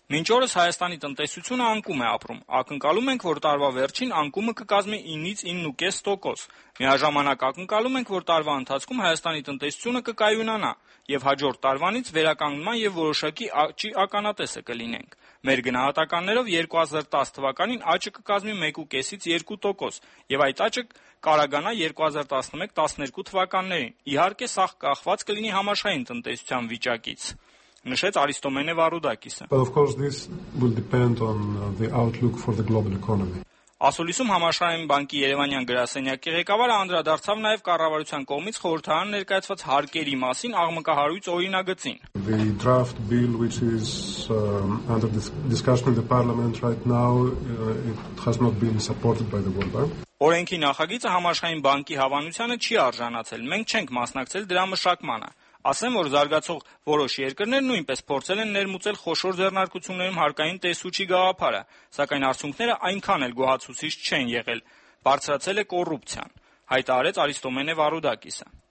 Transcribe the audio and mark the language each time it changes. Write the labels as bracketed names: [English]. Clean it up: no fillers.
[Armenian] Մինչ օրս Հայաստանի տնտեսությունը անկում է ապրում։ Ակնկալում ենք, որ տարվա վերջին անկումը կկազմի 9-ից 9.5%։ Միաժամանակ ակնկալում ենք, որ տարվա ընթացքում Հայաստանի տնտեսությունը կկայունանա եւ հաջորդ տարվանից վերականգնման եւ որոշակի աճի ականատեսը կլինենք։ Մեր գնահատականներով 2010 թվականին աճը կկազմի 1.5-ից 2%, եւ այդ աճը կարագանա 2011-12 թվականներին։ Իհարկե, սա կախված կլինի համաշխարհային տնտեսության վիճակից, նշեց Արիստոմեն Վարուդակիսը։ [English] But of course this will depend on the outlook for the global economy. [Armenian] Ասոլիսում Համաշխարհային բանկի Երևանյան գրասենյակի ղեկավարը անդրադարձավ նաև կառավարության կողմից խորհրդարան ներկայացված հարկերի մասին աղմկահարույց օրինագծին։ [English] The draft bill which is under discussion in the parliament right now it has not been supported by the World Bank. [Armenian] Օրենքի նախագիծը Համաշխարհային բանկի հավանությանը չի արժանացել։ Մենք չենք մասնակցել դրա մշակմանը։ Ասեմ, որ զարգացող որոշ երկրներ նույնպես փորձել են ներմուծել խոշոր ձեռնարկություններում հարկային տեսուչի գաղափարը, սակայն արդյունքները այնքան էլ գոհացուցիչ չեն եղել, բարձրացել է կոռուպցիան, հայտարարեց Արիստոմեն Վարուդակիսը։